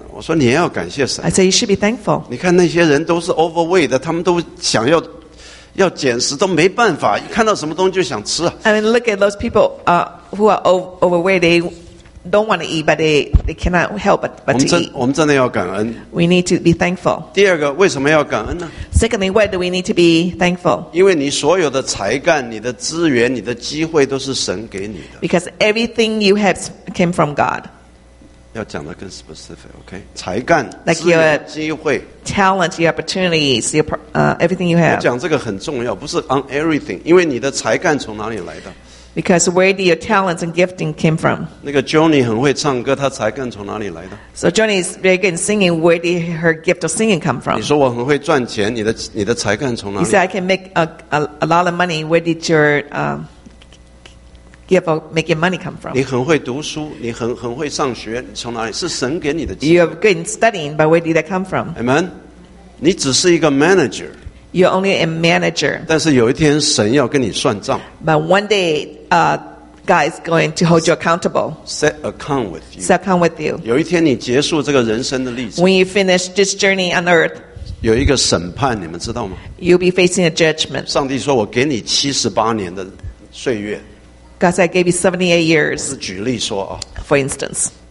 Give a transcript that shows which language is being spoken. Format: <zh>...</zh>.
<zh>我说你也要感谢神。</zh> <en>I say you should be thankful.</en> <zh>你看那些人都是 overweight 的，他们都想要减食，都没办法，看到什么东西就想吃。</zh> <en>I mean, look at those people, who are overweight. They don't want to eat, but they cannot help but to eat.</en> <zh>我们真的要感恩。</zh> <en>We need to be thankful.</en> <zh>第二个，为什么要感恩呢</zh> <en>？Secondly, why do we need to be thankful?</en> <zh>因为你所有的才干、你的资源、你的机会都是神给你的。</zh> <en>Because everything you have came from God.</en> <zh>要讲得更</zh> <en>specific, okay?</en> <zh>才干、</zh> <en>like、your</en> <zh>资源、机会、</zh> <en>talent, your opportunities, your everything you have.</en> <zh>我讲这个很重要，不是</zh> <en>on everything,</en> <zh>因为你的才干从哪里来的？</zh> <en>Because where do your talents and gifting came from?</en> <zh>那个 Johnny 很会唱歌，他才干从哪里来的</zh> <en>？So Johnny is very good in singing. Where did her gift of singing come from?</en> <zh>你说我很会赚钱，你的才干从哪里</zh> <en>？You say I can make a lot of money. Where did your gift of making money come from?</en> <zh>你很会读书，你很会上学，从哪里？是神给你的。</zh> <en>You are good in studying, but where did that come from?</en> <zh>Amen. 你只是一个 manager.</zh> <en>You're only a manager.</en> <zh>但是有一天神要跟你算账。</zh> <en>But one day, God is going to hold you accountable. Set account with you. Set account with you.</en> <zh>有一天你结束这个人生的历程。</zh> <en>When you finish this journey on earth,</en> <zh>有一个审判，你们知道吗</zh> <en>？You'll be facing a judgment.</en> <zh>上帝说：“我给你78年的岁月。</zh> <en>”God said, "I gave you 78 years."</en> <zh>我是举例说啊。</zh> <en>For instance.</en>